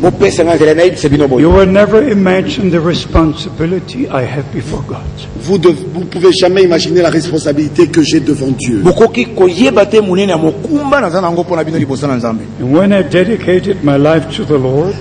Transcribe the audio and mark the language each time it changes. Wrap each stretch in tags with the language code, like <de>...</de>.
<en>You will never imagine the responsibility I have before God.</en> <fr>Vous ne pouvez jamais imaginer la responsabilité que j'ai devant Dieu.</fr> <en>When I dedicated my life to the Lord,</en>